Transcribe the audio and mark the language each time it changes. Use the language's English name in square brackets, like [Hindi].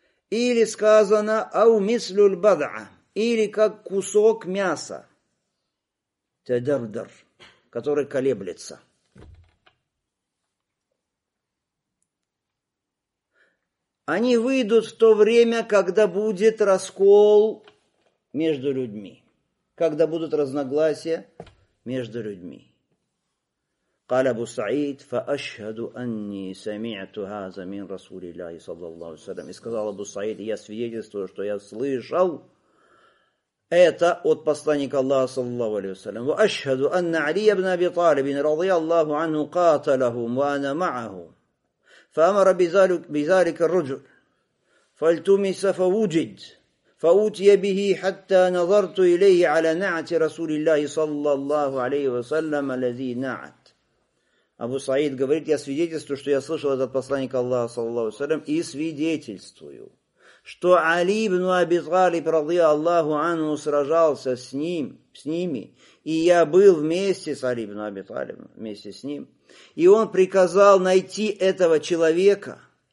[Russian] Или сказано аумислюль бадаа, или как кусок мяса, тедардар, который колеблется. Они выйдут в то время, когда будет раскол между людьми, когда будут разногласия между людьми. [Arabic] قال أبو سعيد فأشهد أني سمعت هذا من رسول الله صلى الله عليه وسلم. [Russian] И сказал Абу Саид, я свидетельствую, что я слышал это от посланника Аллаха [Arabic] صلى الله عليه وسلم. وأشهد أن علي بن أبي طالب رضي الله عنه قاتلهم وأنا معه. فأمر بذلك الرجل. فالتمس فوجد. فأوتي به حتى نظرت إليه على نعت رسول الله صلى الله عليه وسلم الذي نعت. [Russian] Абу Саид говорит, я свидетельствую, что я слышал этот посланник Аллаха, саллаллаху алейхи ва саллям, и свидетельствую, что Али ибн Аби Талиб, ради Аллаху анху, сражался с ним, с ними, и я был вместе с Али ибн Аби Талибом, вместе с ним, и он приказал найти этого человека,